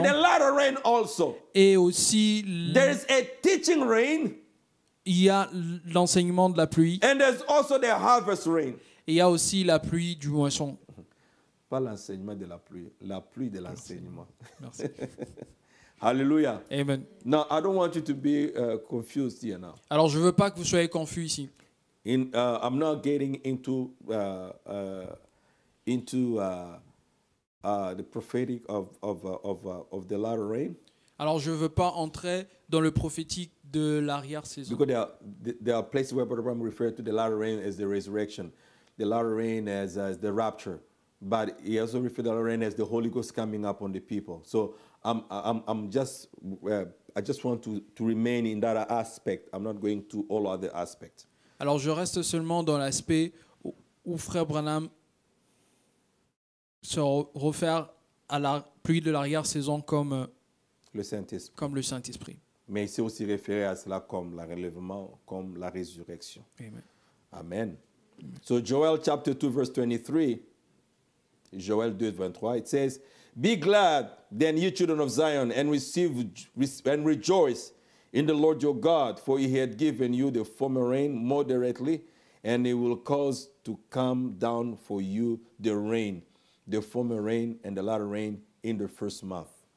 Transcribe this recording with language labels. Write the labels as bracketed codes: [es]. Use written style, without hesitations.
[en] And the latter rain also. [fr] Et aussi. [en] There is a teaching rain. [fr] Il y a l'enseignement de la pluie. [en] And there's also the harvest rain. [fr] Et il y a aussi la pluie du moisson. Pas l'enseignement de la pluie, la pluie de l'enseignement. Merci. [en] Hallelujah. Amen. Now I don't want you to be confused here now. [fr] Alors je veux pas que vous soyez confus ici. [en] I'm not getting into the prophetic of the latter rain. [fr] Alors je veux pas entrer dans le prophétique de l'arrière saison. [en] Because there are places where Brother Bram referred to the latter rain as the resurrection. the latter rain as the rapture, but he also referred to the latter rain as the Holy Ghost coming upon the people. So I just want to remain in that aspect. I'm not going to all other aspects. [fr] Alors je reste seulement dans l'aspect où Frère Branham se réfère à la pluie de l'arrière-saison comme le Saint-Esprit. Comme le Saint-Esprit. Mais il s'est aussi référé à cela comme le relèvement, comme la résurrection. [en] Amen. Amen. So Joel chapter 2 verse 23, Joel 2 23, it says, "Be glad then, you children of Zion, and receive and rejoice in the Lord your God, for he had given you the former rain moderately, and he will cause to come down for you the rain, the former rain and the latter rain in the first month."